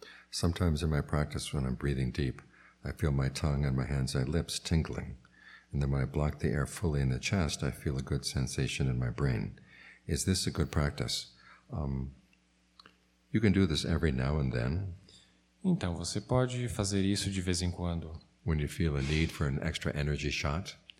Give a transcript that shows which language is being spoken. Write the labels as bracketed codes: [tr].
[en] Sometimes in my practice, when I'm breathing deep, I feel my tongue and my hands and lips tingling. And then when I block the air fully in the chest, I feel a good sensation in my brain. Is this a good practice? You can do this every now and then. [pt] Então, você pode fazer isso de vez em quando. [en] When you feel a need for an extra energy shot.